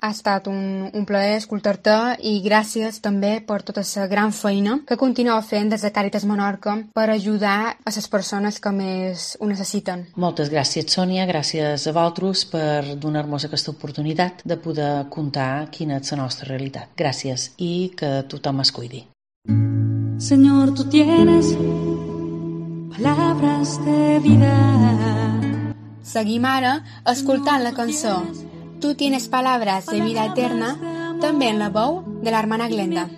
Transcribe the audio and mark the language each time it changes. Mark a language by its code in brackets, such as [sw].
[ca] Ha estat un plaer escoltar-te i gràcies també per tota la gran feina que continueu fent des de Càritas Menorca per ajudar a les persones que més ho necessiten. Moltes gràcies, Sònia, gràcies a vosaltres per donar-nos aquesta oportunitat de poder contar quina és la nostra realitat. Gràcies i que tothom es cuidi. [es] Señor, tú tienes palabras de vida. [ca] Seguim ara escoltant la cançó Tú tienes palabras de vida eterna, també en la veu de l'hermana Glenda.